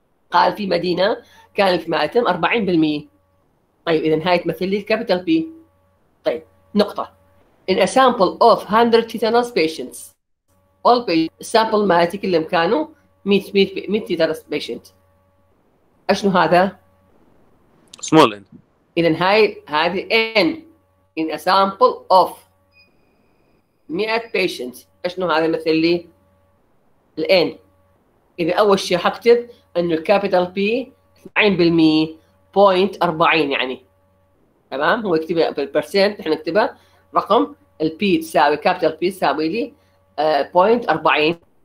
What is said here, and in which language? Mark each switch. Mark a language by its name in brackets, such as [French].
[Arabic] قال في مدينة كان في مائتم 40%. طيب إذا هاي تمثل لي الكابيتال بي. [English] طيب نقطة. In a sample of 100 tetanus patients. All patients. [Arabic] Sample مالتي كلهم كانوا 100 [English] tetanus patients. [Arabic] أشنو هذا؟ [English] Small n. [Arabic] إذن هذه [English] N in a sample of 100 patients. [Arabic] أشنو هذا مثل لي ال N؟ إذا أول شيء حكتب أنه capital P 20% point 40 يعني تمام، هو يكتبها بالبرسنت، إحنا نكتبها رقم ال P تساوي capital P تساوي لي point 40.